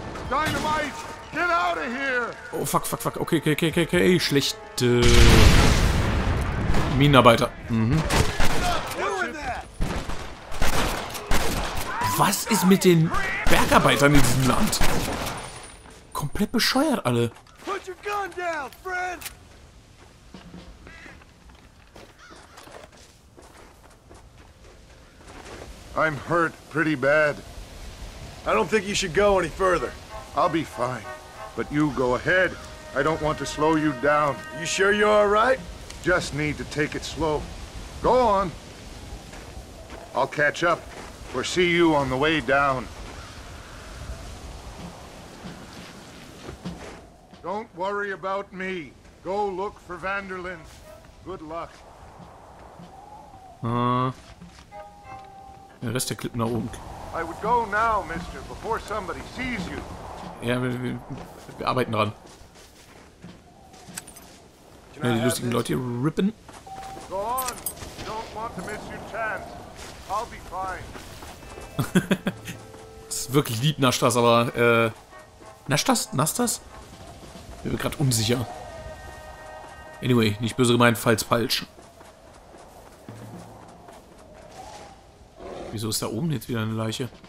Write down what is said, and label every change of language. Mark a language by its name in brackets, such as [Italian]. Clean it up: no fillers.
[English] Dynamite, get out of here! Oh fuck. Okay. [German] Schlechte Minenarbeiter. Was ist mit den Bergarbeitern in diesem Land? Komplett bescheuert alle. [English] Put your gun down, friend. I'm hurt pretty bad. I don't think you should go any further. I'll be fine. But you go ahead. I don't want to slow you down. You sure you're all right? Just need to take it slow. Go on. I'll catch up. Or see you on the way down. Don't worry about me. Go look for Vanderlyn. Good luck. [German] Der Rest der Klippen nach oben. [English] I would go now, mister, before somebody sees you. [German] Ja, wir arbeiten dran. Können wir die lustigen Leute hier rippen? [English] Go on. You don't want to miss your chance. I'll be fine. [German] Das ist wirklich lieb, Nastas, aber Nastas? Ich bin gerade unsicher. Anyway, nicht böse gemeint, falls falsch. Wieso ist da oben jetzt wieder eine Leiche?